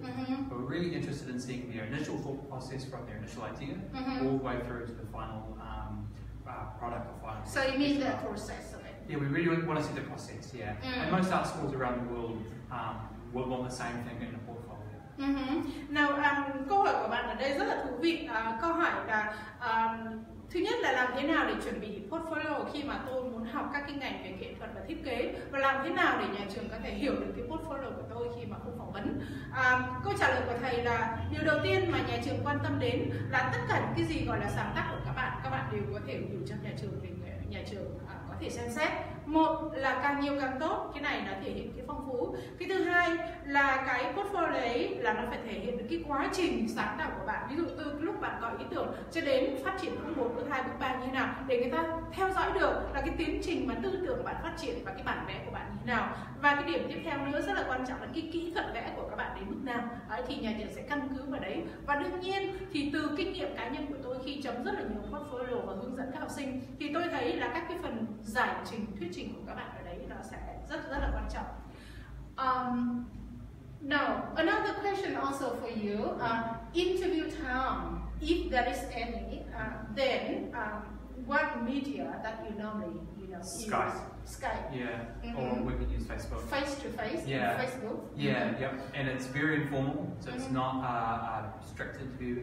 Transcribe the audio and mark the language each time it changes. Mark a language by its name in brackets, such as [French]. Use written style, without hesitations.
[English] Mm-hmm. But we're really interested in seeing their initial thought process from their initial idea mm-hmm. all the way through to the final product or final. So you mean the process of it? Yeah, we really want to see the process, yeah. Mm-hmm. And most art schools around the world will want the same thing in a portfolio. Mm-hmm. [Vietnamese] Now, câu hỏi của bạn ở đây rất là thú vị. Câu hỏi là thứ nhất là làm thế nào để chuẩn bị portfolio khi mà tôi muốn học các cái ngành về nghệ thuật và thiết kế, và làm thế nào để nhà trường có thể hiểu được cái portfolio của tôi khi mà không phỏng vấn. Câu trả lời của thầy là điều đầu tiên mà nhà trường quan tâm đến là tất cả những cái gì gọi là sáng tác của các bạn đều có thể gửi cho nhà trường để nhà trường có thể xem xét. Một là càng nhiều càng tốt, cái này nó thể hiện cái phong phú. Cái thứ hai là cái portfolio đấy là nó phải thể hiện được cái quá trình sáng tạo của bạn. Ví dụ từ lúc bạn có ý tưởng cho đến phát triển bước 1, bước 2, bước 3 như nào, để người ta theo dõi được là cái tiến trình mà tư tưởng bạn phát triển và cái bản vẽ của bạn như nào. Và cái điểm tiếp theo nữa rất là quan trọng là cái kỹ thuật vẽ của các bạn đến mức nào. Đấy, thì nhà trường sẽ căn cứ vào đấy. Và đương nhiên thì từ kinh nghiệm cá nhân của tôi khi chấm rất là nhiều portfolio và hướng dẫn các học sinh, thì tôi thấy là các cái phần giải trình, thuyết trình của các bạn ở đấy nó sẽ rất là quan trọng. [English] Now, another question also for you. Interview time, if there is any, then what media that you normally, you know, use? Skype. Yeah, mm-hmm. or we can use Facebook. Face to face, yeah. Facebook. Yeah, mm-hmm. yep. And it's very informal, so it's mm-hmm. not a strict interview.